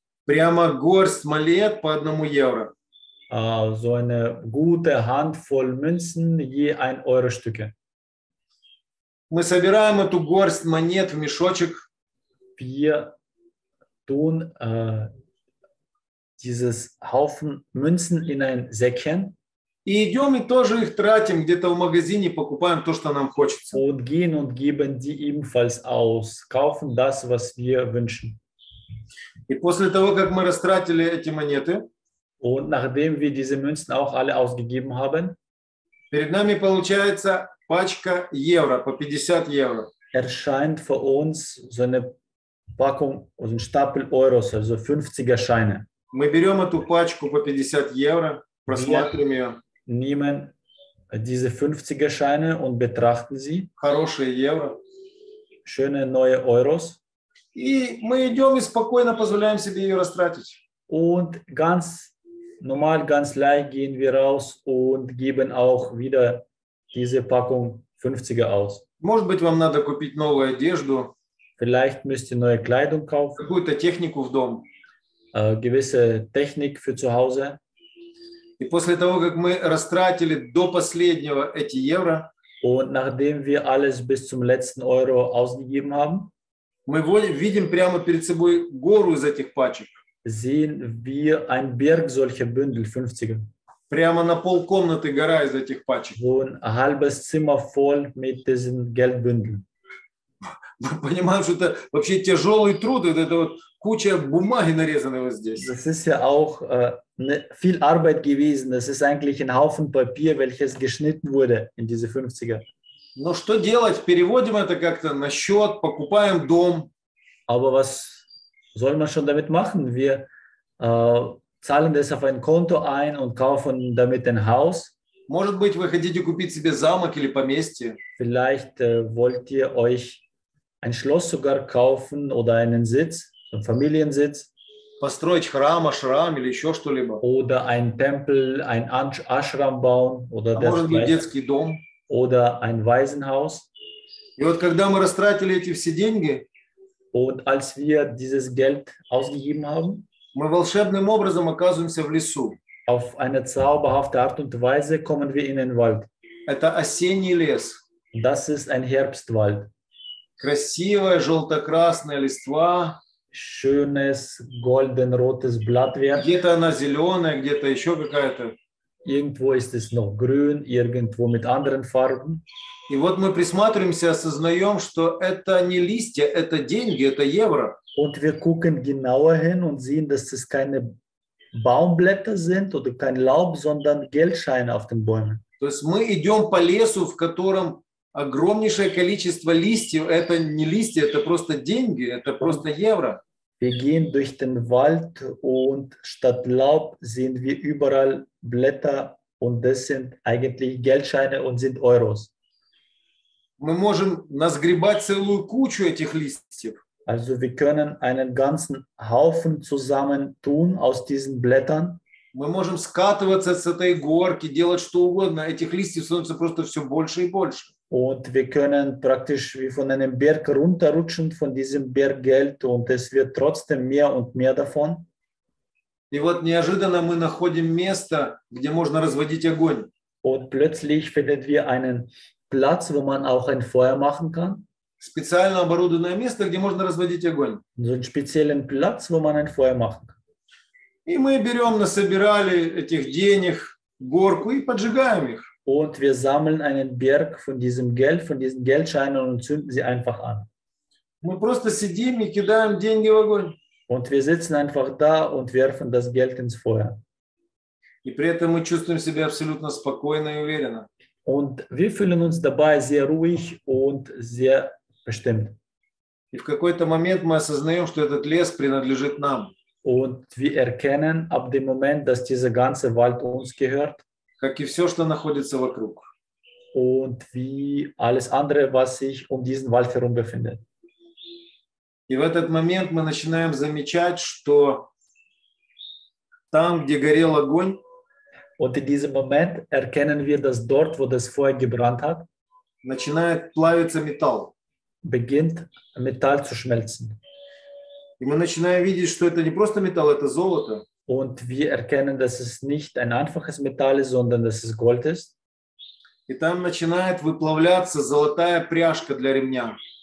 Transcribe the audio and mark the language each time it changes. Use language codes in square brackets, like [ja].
[ru] Прямо горсть монет по одному евро. [de] So eine gute Handvoll Münzen, je ein Euro Stücke. [ru] Мы собираем эту горсть монет в мешочек. [de] Wir tun dieses Haufen Münzen in ein Säckchen. [ru] И идем и тоже их тратим где-то в магазине, покупаем то, что нам хочется. [de] Und gehen und geben die ebenfalls aus, kaufen das, was wir wünschen. [ru] И после того, как мы растратили эти монеты, [de] und nachdem wir diese Münzen auch alle ausgegeben haben, [ru] перед нами получается пачка евро по 50 евро. [de] Erscheint vor uns so eine Packung, so ein Stapel Euros, also 50er Scheine. [ru] Мы берем эту пачку по 50 евро, просматриваем ее. [de] Nehmen diese 50er Scheine und betrachten sie. [ru] Хорошие евро. [de] Schöne neue Euros. [ru] И мы идем и спокойно позволяем себе ее растратить. [de] Und ganz normal, ganz leicht gehen wir raus und geben auch wieder diese Packung 50er aus. [ru] Может быть, вам надо купить новую одежду. [de] Vielleicht müsst ihr neue Kleidung kaufen. [ru] Какую-то технику в дом. [de] Gewisse Technik für zu Hause. [ru] И после того, как мы растратили до последнего эти евро, [de] und nachdem wir alles bis zum letzten Euro ausgegeben haben, [ru] мы видим прямо перед собой гору из этих пачек. [de] Sehen wir ein Berg solcher Bündel, 50er. [ru] Прямо на полкомнаты гора из этих пачек. [de] Ein halbes Zimmer voll mit diesen Geldbündeln. [ru] Мы понимаем, что это вообще тяжелый труд, это вот куча бумаги нарезанного здесь. [de] Das ist ja auch viel Arbeit gewesen. Das ist eigentlich ein Haufen Papier, welches geschnitten wurde in diese 50er. [ru] Но что делать? Переводим это как-то на счет, покупаем дом. [de] Aber was soll man schon damit machen? Wir zahlen das auf ein Konto ein und kaufen damit ein Haus. [ru] Может быть, вы хотите купить себе замок или поместье? [de] Vielleicht wollt ihr euch ein Schloss sogar kaufen oder einen Sitz, einen Familiensitz. [ru] Построить храм, ашрам или еще что-либо. [de] Oder ein Tempel, ein Ashram bauen oder das. [ru] Может быть, детский дом. [de] Oder ein Waisenhaus. [ru] И вот когда мы растратили эти все деньги, [de] und als wir dieses Geld ausgegeben haben, [ru] мы волшебным образом оказываемся в лесу. [de] Auf eine zauberhafte Art und Weise kommen wir in den Wald. [ru] Это осенний лес. [de] Das ist ein Herbstwald. [ru] Красивая желто-красная листва. [de] Schönes golden-rotes Blattwerk. [ru] Где-то она зеленая, где-то еще какая-то. [de] Irgendwo ist es noch grün, irgendwo mit anderen Farben. [ru] И вот мы присматриваемся, осознаем, что это не листья, это деньги, это евро. [de] Und wir gucken genauer hin und sehen, dass es keine Baumblätter sind oder kein Laub, sondern Geldscheine auf den Bäumen. [ru] То есть мы идем по лесу, в котором огромнейшее количество листьев. Это не листья, это просто деньги, это просто евро. [de] Wir gehen durch den Wald und statt Laub sehen wir überall Blätter und das sind eigentlich Geldscheine und sind Euros. [ru] Мы можем насгребать целую кучу этих листьев. [de] Also wir können einen ganzen Haufen zusammentun aus diesen Blättern. [ru] Мы можем скатываться с этой горки, делать что угодно. Этих листьев становится просто все больше и больше. [de] Und wir können praktisch wie von einem Berg runterrutschen, von diesem Berg Geld, und es wird trotzdem mehr und mehr davon. [ru] И вот неожиданно мы находим место, где можно разводить огонь. [de] Und plötzlich finden wir einen Platz, wo man auch ein Feuer machen kann. [ru] Специально оборудованное место, где можно разводить огонь. [de] So einen speziellen Platz, wo man ein Feuer machen kann. [ru] И мы берем, насобирали этих денег, горку и поджигаем их. [de] Und wir sammeln einen Berg von diesem Geld, von diesen Geldscheinen und zünden sie einfach an. [ru] Мы просто сидим и кидаем деньги в огонь. [de] Und wir sitzen einfach da und werfen das Geld ins Feuer. [ru] И при этом мы чувствуем себя абсолютно спокойно и уверенно. [de] Und wir fühlen uns dabei sehr ruhig und sehr bestimmt. [ru] И в какой-то момент мы осознаем, что этот лес принадлежит нам. [de] Und wir erkennen ab dem Moment, dass dieser ganze Wald uns gehört. [ru] Как и все, что находится вокруг. [de] Und wie alles andere, was sich um diesen Wald herum befindet. [ru] И в этот момент мы начинаем замечать, что там, где горел огонь, [de] und in diesem Moment erkennen wir, dass dort, wo das Feuer gebrannt hat, [ru] начинает плавиться металл. [de] Beginnt Metall zu schmelzen. [ru] И мы начинаем видеть, что это не просто металл, это золото. [de] Und wir erkennen, dass es nicht ein einfaches Metall ist, sondern dass es Gold ist. [ru] И там начинает выплавляться золотая пряжка для ремня.